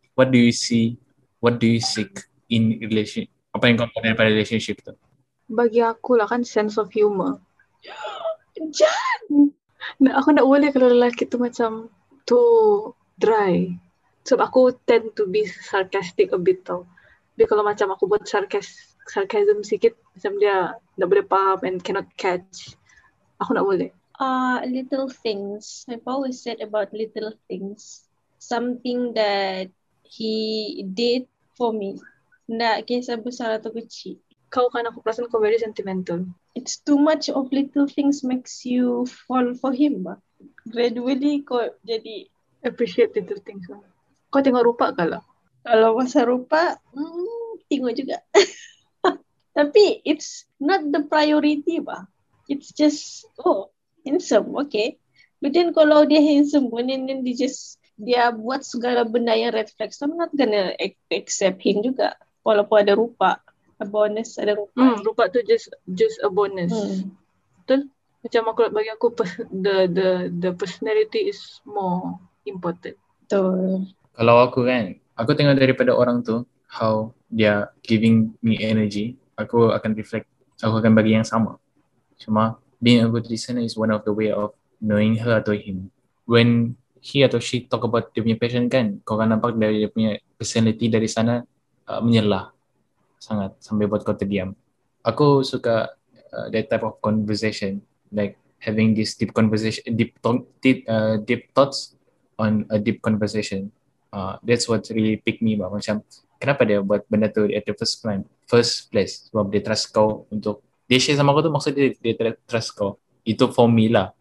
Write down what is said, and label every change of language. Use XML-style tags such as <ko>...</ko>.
<en>What do you see, what do you seek in relation?</en> <ms>Apa yang kau tanya pada relationship tu? Bagi aku lah kan sense of humor. Jan! Nah, aku tak boleh kalau lelaki tu macam</ms> <en>too dry.</en> <ms>Sebab aku</ms> <en>tend to be sarcastic a bit</en> <ms>tau. Tapi kalau macam aku buat sarcasm sikit, macam dia tak boleh paham</ms> <en>and cannot catch.</en> <ms>Aku tak boleh.</ms> <en>Little things. I've always said about little things. Something that he did for me.</en> <ms>Tak kisah besar atau kecil. Kau kan aku perasan kau</ms> <en>very sentimental. It's too much of little things makes you fall for him.</en> <ms>Ba? Gradually kau jadi</ms> <en>appreciate little things.</en> <ms>Ba? Kau tengok rupa ke lah? Kalau masa rupa, tengok juga. Tapi</ms> <en>it's not the priority.</en> <ms>Ba?</ms> <en>It's just, oh, handsome, okay. But then</en> <ms>kalau dia handsome pun,</ms> <en>then</en> <ms>dia just, dia buat segala benda yang</ms> <en>reflex. I'm not gonna accept him</en> <ms>juga. Walaupun ada rupa.</ms> <en>A bonus,</en> <ms>ada rupa. Rupa tu</ms> <en>just a bonus.</en> <ms>Betul? Macam aku, bagi aku,</ms> <en>the personality is more important.</en> <ms>Betul. Kalau aku kan, aku tengok daripada orang tu,</ms> <en>how they are giving me energy,</en> <ms>aku akan reflect, aku akan bagi yang sama.</ms> <en>Cuma, being a good listener is one of the way of knowing her</en> <ms>atau</ms> <en>him. When he</en> <ms>atau</ms> <en>she talk about</en> <ms>dia punya passion kan, kau akan nampak dari dia punya personality dari sana, menyerlah. Sangat sampai buat kau terdiam. Aku suka</ms> <en>that type of conversation, like having this deep conversation, deep thoughts on a deep conversation. That's what really pick me up.</en> <ms>Macam kenapa dia buat benda tu</ms> <en>at the first place?</en> <ms>Sebab dia trust kau untuk dia share sama kau tu, maksud dia trust kau. Itu</ms> <en>for me</en> <ms>lah.</ms>